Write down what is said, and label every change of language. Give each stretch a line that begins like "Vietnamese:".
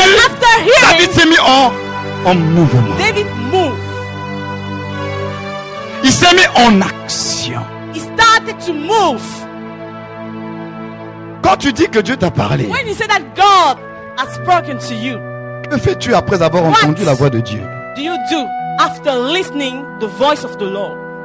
English: and after hearing,
French: David s'est mis en mouvement.
English: David move.
French: Il s'est mis en action.
English: He started to move.
French: Quand tu dis que Dieu t'a parlé,
English: when you say that God has spoken to you,
French: que fais-tu après avoir entendu la voix de Dieu?
English: Do you do after listening the voice of the Lord?